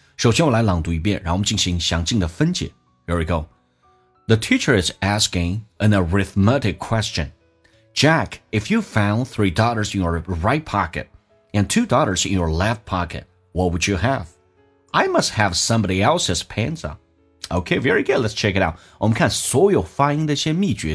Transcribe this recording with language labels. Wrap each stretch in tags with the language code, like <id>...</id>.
<zh>首先我来朗读一遍，然后我们进行详尽的分解。</zh> <en>Here we go. The teacher is asking an arithmetic question. Jack, if you found three dollars in your right pocket and two dollars in your left pocket, what would you have? I must have somebody else's pencil. Okay, very good, let's check it out.</en> <zh>我们看所有发音的一些秘诀。</zh>